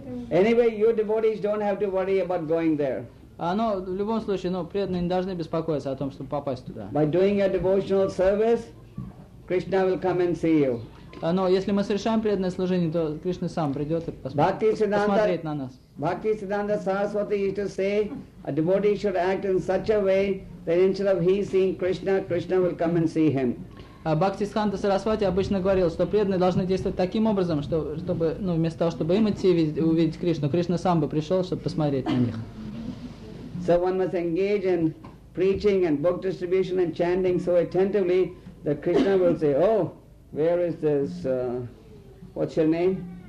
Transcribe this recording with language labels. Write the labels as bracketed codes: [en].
[en] Anyway, your devotees don't have to worry about going there. [ru] Но в любом случае, преданные не должны беспокоиться о том, чтобы попасть туда. [en] By doing a devotional service, Krishna will come and see you. [ru] Но если мы совершаем преданное служение, то Кришна сам придет и посмотрит на нас. [en] Bhakti Siddhanta Saraswati used to say, a devotee should act in such a way that instead of he seeing Krishna, Krishna will come and see him. [ru] Бхакти Сиддханта Сарасвати обычно говорил, что преданные должны действовать таким образом, чтобы вместо того, чтобы им идти и увидеть Кришну, Кришна сам бы пришел, чтобы посмотреть на них. [en] So one must engage in preaching and book distribution and chanting so attentively that Krishna will say, oh, where is this, what's your name?